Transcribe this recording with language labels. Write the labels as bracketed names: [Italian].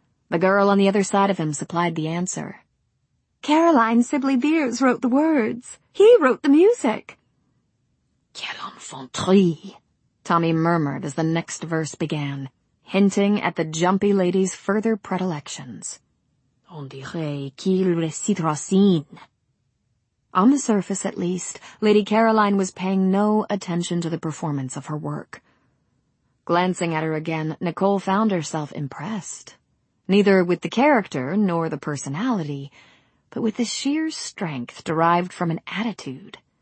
[English] The girl on the other side of him supplied the answer. "Caroline Sibley Beers wrote the words. He wrote the music." [French] "Quelle enfanterie," [English] Tommy murmured as the next verse began, hinting at the jumpy lady's further predilections. [French] "On dirait qu'il récite Racine." [English] On the surface, at least, Lady Caroline was paying no attention to the performance of her work. Glancing at her again, Nicole found herself impressed, neither with the character nor the personality, but with the sheer strength derived from an attitude.